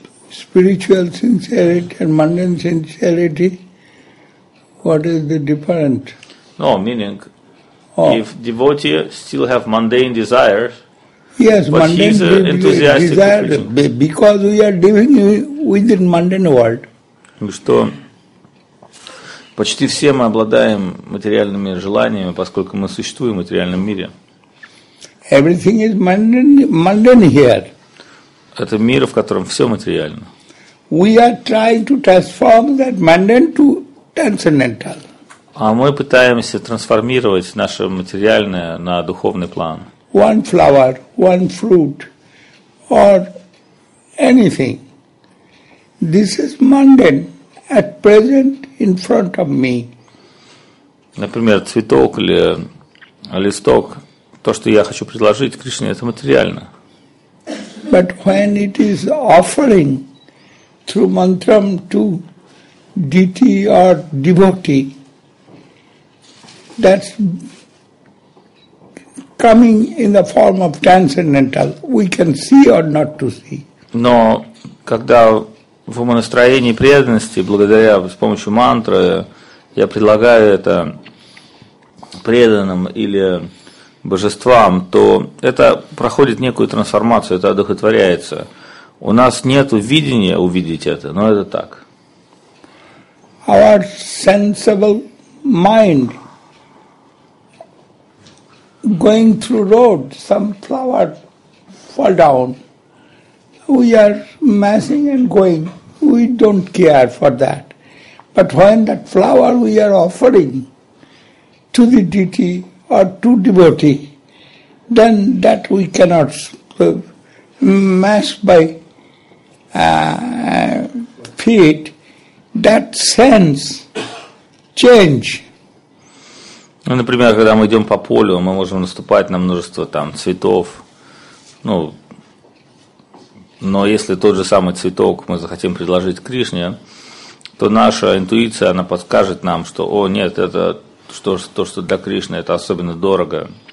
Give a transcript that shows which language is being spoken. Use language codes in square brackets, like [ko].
[en] Spiritual sincerity and mundane sincerity, what is the difference? No, meaning, if devotee still have mundane desires, yes, but mundane he's enthusiastic desire, because we are living within mundane world. [ru] Что почти все мы обладаем материальными желаниями, поскольку мы существуем в материальном мире. [en] Everything is mundane here. [ru] Это мир, в котором все материально. [en] We are trying to transform that mundane to transcendental. [ru] А мы пытаемся трансформировать наше материальное на духовный план. [en] One flower, one fruit, or anything. This is mundane at present in front of me. [ru] Например, цветок или листок, то, что я хочу предложить Кришне, это материально. [en] But when it is offering through mantram to deity or devotee, that's coming in the form of transcendental. We can see or not to see. [ru] Но когда в умонастроении преданности, благодаря, с помощью мантры, я предлагаю это преданным или божествам, то это проходит некую трансформацию, это одухотворяется. У нас нет видения увидеть это, но это так. [en] Our sensible mind going through road, some flower fall down. We are massing and going. We don't care for that. But when that flower we are offering to the deity or to devotee, then that we cannot mass by feet, that sense change. [ru] Ну, например, когда мы идем по полю, мы можем наступать на множество там цветов, ну, но если тот же самый цветок мы захотим предложить Кришне, то наша интуиция, она подскажет нам, что, о, нет, это что, то, что для Кришны, это особенно дорого.